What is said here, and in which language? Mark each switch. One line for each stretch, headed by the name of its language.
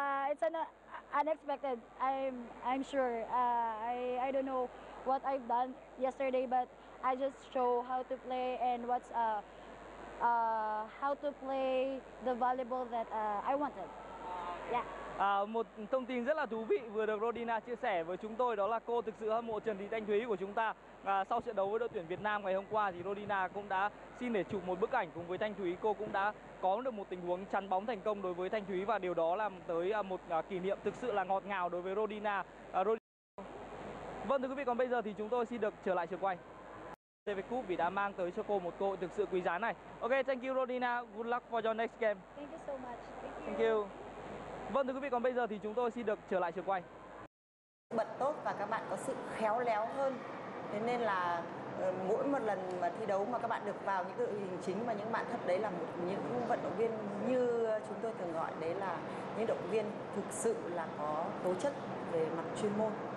English: It's unexpected. I'm sure. I don't know what I've done yesterday, but I just show how to play and what's how to play the volleyball that I wanted. Yeah.
Vietnamese: Một thông tin rất là thú vị vừa được Rodina chia sẻ với chúng tôi, đó là cô thực sự hâm mộ Trần Thị Thanh Thúy của chúng ta. Sau trận đấu với đội tuyển Việt Nam ngày hôm qua thì Rodina cũng đã xin để chụp một bức ảnh cùng với Thanh Thúy. Cô cũng đã có được một tình huống chắn bóng thành công đối với Thanh Thúy, và điều đó làm tới một kỷ niệm thực sự là ngọt ngào đối với Rodina. Vâng, thưa quý vị, còn bây giờ thì chúng tôi xin được trở lại trường quay TV Cup vì đã mang tới cho cô một cơ hội thực sự quý giá này.
English: Ok, thank you Rodina, good luck for your next game. Thank you so much. Thank you.
Vietnamese: Vâng, thưa quý vị, còn bây giờ thì chúng tôi xin được trở lại trường quay. Bật tốt và các bạn có sự khéo léo hơn. Thế nên là mỗi một lần mà thi đấu mà các bạn được vào những đội hình chính mà những bạn thấp đấy là một những vận động viên như chúng tôi thường gọi đấy, là những động viên thực sự là có tố chất về mặt chuyên môn.